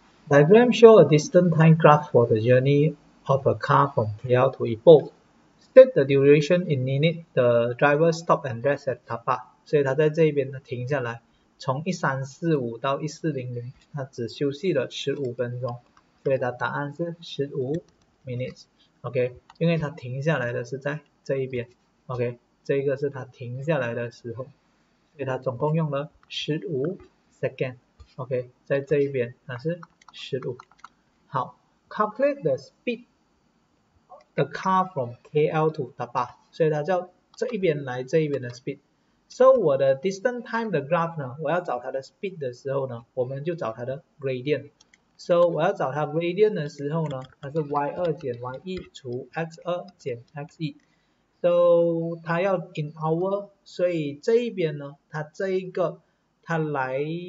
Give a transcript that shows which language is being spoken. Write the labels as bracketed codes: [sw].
[en] Diagram show a distance time graph for the journey of a car from KL to Ipoh. State the duration in minute the driver stop and rest at car park. [zh] 所以他在这边呢停下来，从1345到1400，他只休息了15分钟。所以他答案是15 minutes。OK，因为他停下来的是在这一边。 OK，这个是他停下来的时候，所以他总共用了15 second。 OK，在这一边他是。 15，好， [en] calculate the speed the car from KL to Tapah， [zh] 所以它叫这一边来这一边的 speed。 So 我的 distance time 的 graph 呢，我要找它的 speed 的时候呢，我们就找它的 gradient。 So 我要找它 gradient 的时候呢，它是 y2 减 y1 除 x2 减 x1。 So 它要 in hour，所以这一边呢，它这一个它来。